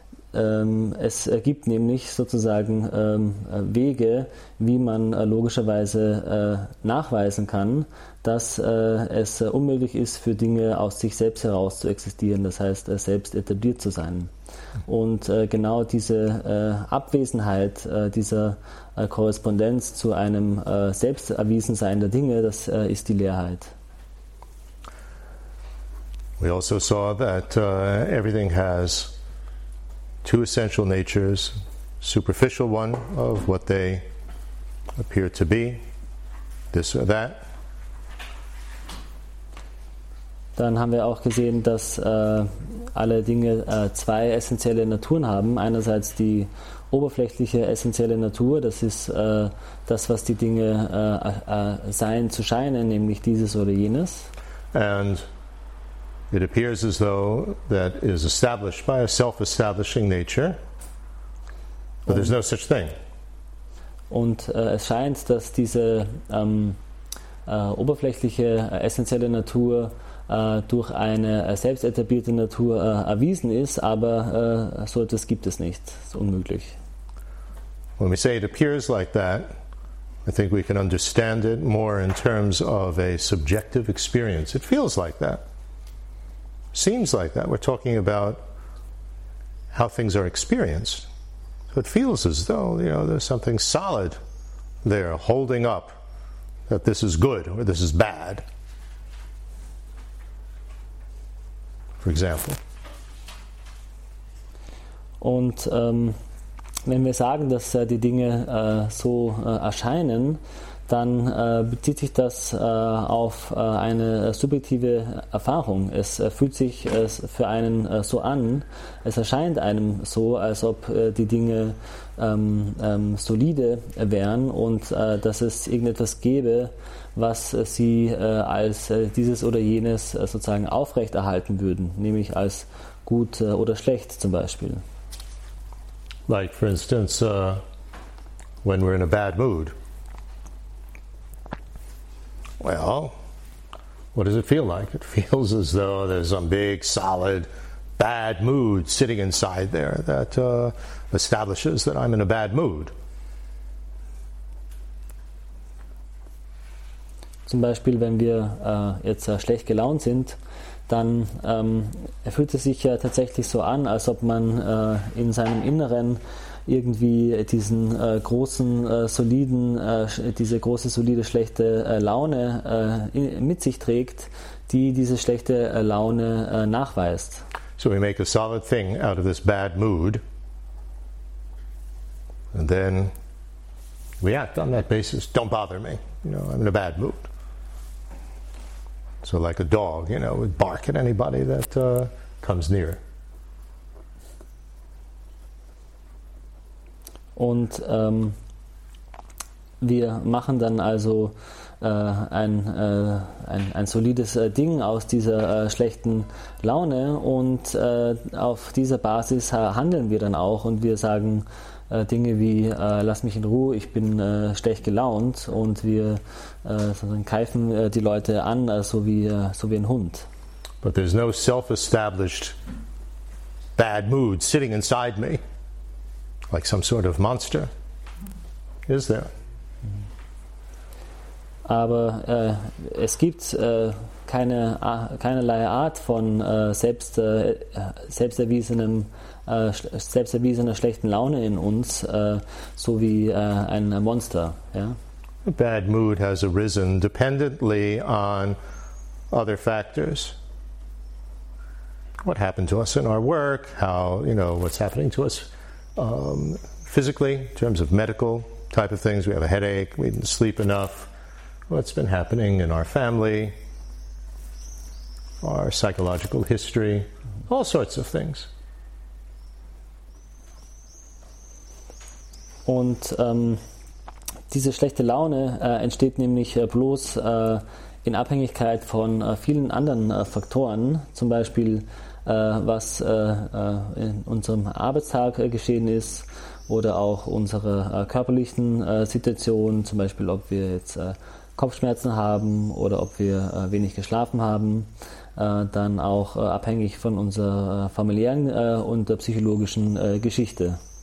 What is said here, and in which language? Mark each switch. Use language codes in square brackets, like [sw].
[de] Es gibt nämlich sozusagen Wege, wie man logischerweise nachweisen kann, dass es unmöglich ist, für Dinge aus sich selbst heraus zu existieren, das heißt selbst etabliert zu sein. Und genau diese Abwesenheit dieser Korrespondenz zu einem Selbsterwiesensein der Dinge, das ist die Leerheit. [en] We also saw that everything has two essential natures, superficial one of what they appear to be, this or that. [de] Dann haben wir auch gesehen, dass alle Dinge zwei essentielle Naturen haben. Einerseits die oberflächliche essentielle Natur, das ist das, was die Dinge sein zu scheinen, nämlich dieses oder jenes. [en] And it appears as though that is established by a self-establishing nature, but there's no such thing. [de] Und es scheint, dass diese oberflächliche essentielle Natur durch eine selbst etablierte Natur erwiesen ist, aber so etwas gibt es nicht. Es ist unmöglich. [en] When we say it appears like that, I think we can understand it more in terms of a subjective experience. It feels like that. Seems like that. We're talking about how things are experienced. So it feels as though, you know, there's something solid there holding up that this is good or this is bad. For example. [de] Und wenn wir sagen, dass die Dinge so erscheinen, dann bezieht sich das auf eine subjektive Erfahrung. Es fühlt sich für einen so an, es erscheint einem so, als ob die Dinge solide wären und dass es irgendetwas gäbe, was sie als dieses oder jenes sozusagen aufrechterhalten würden, nämlich als gut oder schlecht zum Beispiel. [en] Like for instance, when we're in a bad mood. Well, what does it feel like? It feels as though there's some big, solid, bad mood sitting inside there that establishes that I'm in a bad mood. [de] Zum Beispiel, wenn wir jetzt schlecht gelaunt sind, dann fühlt es sich ja tatsächlich so an, als ob man in seinem Inneren irgendwie diesen großen soliden diese große solide schlechte Laune mit sich trägt, die diese schlechte Laune nachweist. [en] So we make a solid thing out of this bad mood and then we act on that basis. Don't bother me. I'm in a bad mood. So like a dog, would bark at anybody that comes near. [de] Und wir machen dann also ein solides Ding aus dieser schlechten Laune, und auf dieser Basis handeln wir dann auch, und wir sagen Dinge wie lass mich in Ruhe, ich bin schlecht gelaunt, und wir keifen die Leute an, so wie ein Hund. [en] But there's no self-established bad mood sitting inside me like some sort of monster, is there? [de] Aber es gibt keinerlei Art von selbsterwiesener schlechten Laune in uns, so wie ein Monster. Ja? [en] A bad mood has arisen dependently on other factors. What happened to us in our work? How, what's happening to us physically in terms of medical type of things? We have a headache, we didn't sleep enough. What's been happening in our family, our psychological history, all sorts of things. [de] Und diese schlechte Laune entsteht nämlich bloß in Abhängigkeit von vielen anderen Faktoren, zum Beispiel was in unserem Arbeitstag geschehen ist, oder auch unsere körperlichen Situation, zum Beispiel ob wir jetzt Kopfschmerzen haben oder ob wir wenig geschlafen haben, dann auch abhängig von unserer familiären und der psychologischen Geschichte.